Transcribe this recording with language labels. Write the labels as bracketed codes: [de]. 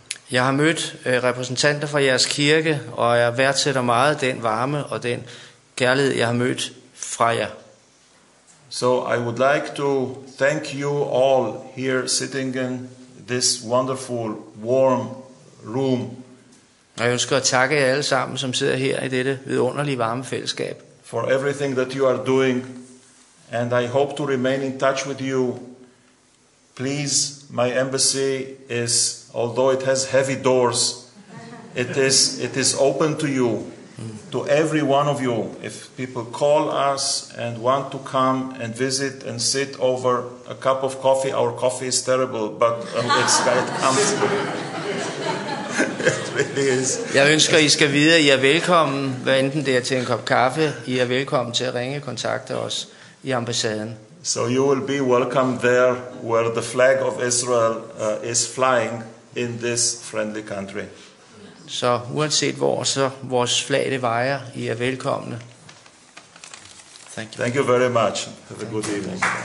[da] Jeg har mødt repræsentanter fra jeres kirke, og jeg værdsætter meget den varme og den kærlighed, jeg har mødt fra jer. [en] So I would like to thank you all here sitting in this wonderful warm room. [da] Jeg ønsker at takke jer alle sammen, som sidder her i dette vidunderlige varme fællesskab. [en] For everything that you are doing, and I hope to remain in touch with you. Please, my embassy is, although it has heavy doors, it is open to you. To every one of you, if people call us and want to come and visit and sit over a cup of coffee, our coffee is terrible, but it's quite comfortable. It really is. [da] Jeg ønsker, I skal vide, at I er velkommen, hvad enten det er til en kop kaffe, I er velkommen til at ringe og kontakte os i ambassaden. [en] So you will be welcome there where the flag of Israel is flying in this friendly country. [da] Så uanset hvor, så vores flag det vejer, I er velkomne. [en] Thank you. Thank you very much. Have a good evening.